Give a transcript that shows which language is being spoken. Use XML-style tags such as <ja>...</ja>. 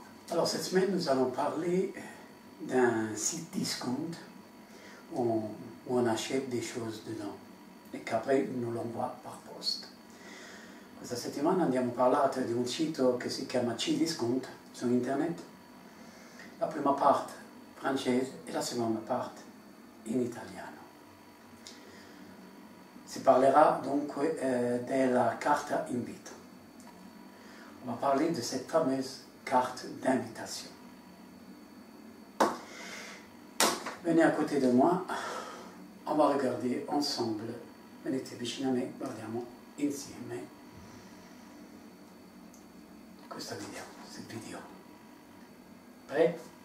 <fr>Alors cette semaine, nous allons parler d'un site discount où on achète des choses dedans et qu'après on nous l'envoie par poste.</fr> <it>Questa settimana andiamo a parlare di un sito che si chiama C-Discount su internet, la prima parte francese e la seconda parte in italiano. Si parlerà dunque della carta invito.</it> <fr>On va parler de cette fameuse carte d'invitation. Venez à côté de moi, on va regarder ensemble.</fr> <it>Venez te vicino a me, guardiamo insieme questa vidéo,</it> <fr>cette vidéo. Prêt?</fr>